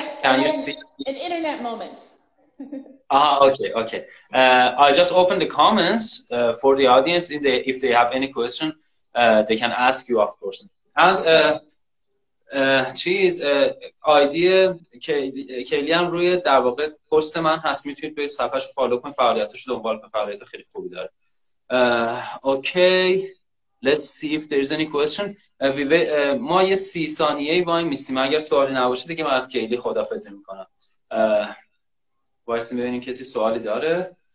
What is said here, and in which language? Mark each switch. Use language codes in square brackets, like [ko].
[en] Can you see an internet moment Ah, okay. I just opened the comments for the audience. If they have any question, they can ask you, of course. [fa] And چیز ایده کلیان روی در واقع پست من هست میتونید به صفحش فالو کنید فعالیتش رو دنبال کنید فعالیت خیلی خوبی داره. [en] Okay, let's see if there is any question. [fa] ما یه 30 ثانیه ای وای میستیم اگر سوالی نباشه دیگه من از کلی خدافظی میکنم. بایستیم ببینیم کسی سوالی داره.